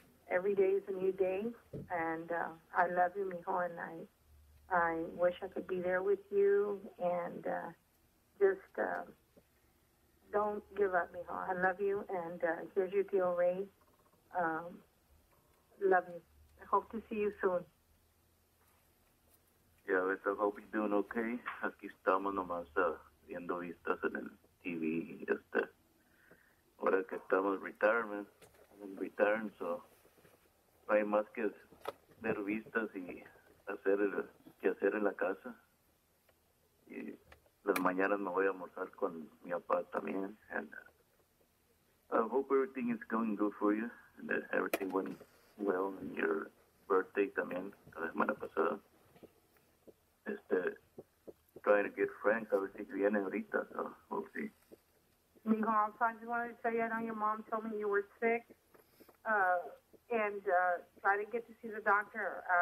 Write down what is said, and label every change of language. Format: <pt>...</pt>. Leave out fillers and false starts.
<en>Every day is a new day. And I love you, mijo, and I wish I could be there with you. And just... don't give up, mijo. I love you, and here's your deal, Ray. Love you. I hope to see you soon. Yeah, I hope you're doing okay.</en> <es>Aquí estamos nomás viendo vistas en el TV. Ahora que estamos</es> <en>retirement, in return,</en> <es>so no hay más que ver vistas y hacer el que hacer en la casa. Y las mañanas me voy a almorzar con mi papá también.</es> <en>And I hope everything is going good for you and that everything went well on your birthday</en> <es>también, la semana pasada.</es> <en>Trying to get Frank,</en> <es>a ver si viene ahorita,</es> <en>so we'll see. Mijo, also, I just wanted to tell you, I know your mom told me you were sick. Try to get to see the doctor.</en>